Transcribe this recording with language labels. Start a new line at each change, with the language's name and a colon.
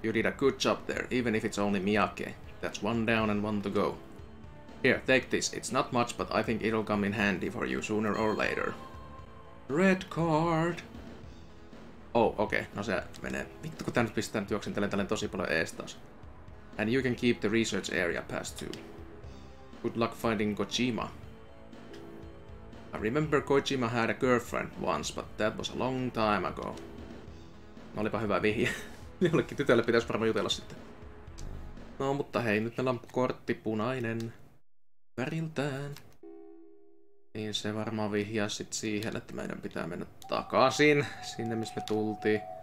English: You did a good job there, even if it's only Miyake. That's one down and one to go. Here, take this. It's not much, but I think it'll come in handy for you sooner or later. Red card! Oh, okay.
Finnish: No se menee. Vittu, kun tää nyt pistetään juoksentelen tälleen tosi paljon ees taas.
English: And you can keep the research area pass too. Good luck finding Kojima. I remember Kojima had a girlfriend once, but that was a long time ago.
Finnish: No olipa hyvä vihje. Jollekin tytölle pitäis varmaan jutella sitten. No, mutta hei, nyt meillä on kortti punainen. Väriltään. Niin se varmaan vihjaa sit siihen, että meidän pitää mennä takaisin sinne, missä me tultiin.